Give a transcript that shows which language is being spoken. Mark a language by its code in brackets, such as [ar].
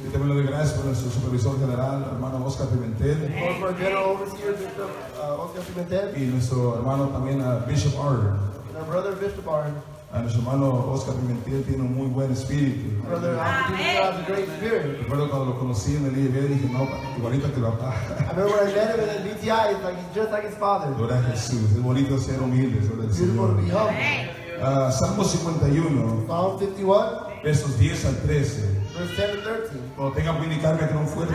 [es] Y también le doy gracias por nuestro supervisor general, hermano Oscar Pimentel. [en] For our general overseer, Bishop Oscar Pimentel. [es] Y nuestro hermano también, Bishop Arden. [en] And our brother, Bishop Arden. [es] Nuestro hermano Oscar Pimentel tiene un muy buen espíritu. [en] Brother, he has a great spirit. [es] Recuerdo cuando lo conocí en el IEB, dije, no, igualito que lo papá. [en] I remember when I met him in the BTI, he's like, he's just like his father. [es] Gloria a Jesús. Es bonito ser humilde sobre el Señor. [en] Be humble. [es] Salmo 51, versos 10 al 13. Cuando tenga que indicarme que no fuerte,